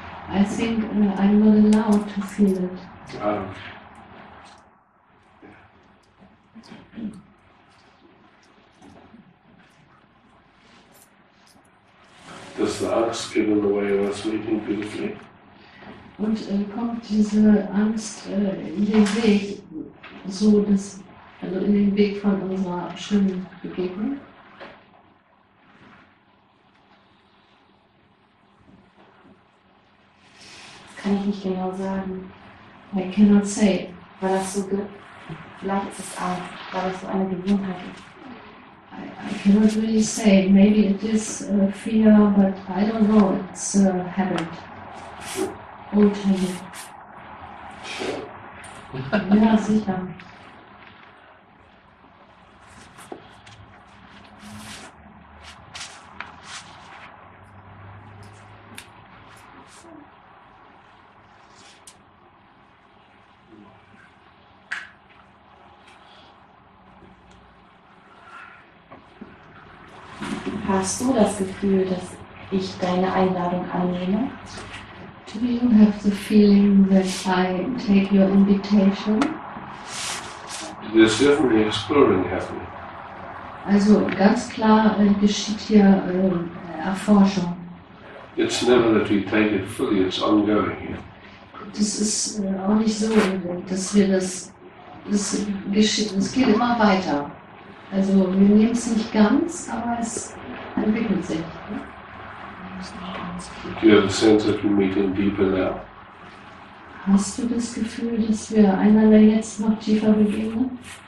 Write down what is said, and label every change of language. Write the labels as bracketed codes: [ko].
[en] I think I'm not allowed to feel it. Does the angst get in the way of us meeting beautifully? [de] Und kommt diese Angst in den Weg, so dass, also in den Weg von unserer schönen Begegnung? Das kann ich nicht genau sagen. [en] I cannot say. [de] Weil das so vielleicht ist es Angst, weil es so eine Gewohnheit ist. [en] I cannot really say. Maybe it is fear, but I don't know. It's a habit. Okay. [de] Ja, sicher. Hast du das Gefühl, dass ich deine Einladung annehme? [en] Do you have the feeling that I take your invitation? You're certainly exploring heaven. [de] Also ganz klar geschieht hier Erforschung. [en] It's never that we take it fully, it's ongoing here. [de] Das ist auch nicht so, dass wir das, das geschieht, es geht immer weiter. Also wir nehmen es nicht ganz, aber es entwickelt sich. [en] Do you have a sense that we're meeting deeper now? [de] Hast du das Gefühl, dass wir einander jetzt noch tiefer begegnen?